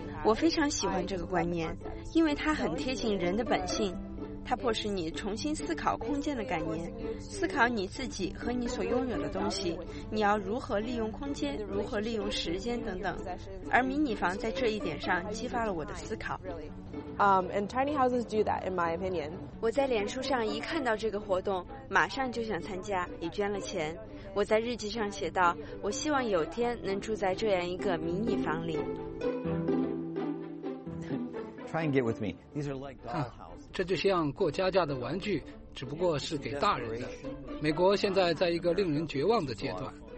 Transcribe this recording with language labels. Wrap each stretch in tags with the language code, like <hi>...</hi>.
<zh>我非常喜欢这个观念，因为它很贴近人的本性。它迫使你重新思考空间的概念，思考你自己和你所拥有的东西，你要如何利用空间，如何利用时间等等。而迷你房在这一点上激发了我的思考。</zh> <en>And tiny houses do that, in my opinion.</en> <zh>我在脸书上一看到这个活动，马上就想参加，也捐了钱。我在日记上写道，我希望有天能住在这样一个迷你房里。</zh> <en>Try and get with me. These are like dollhouse.</en> <zh>这就像过家家的玩具，只不过是给大人的。美国现在在一个令人绝望的阶段，</zh>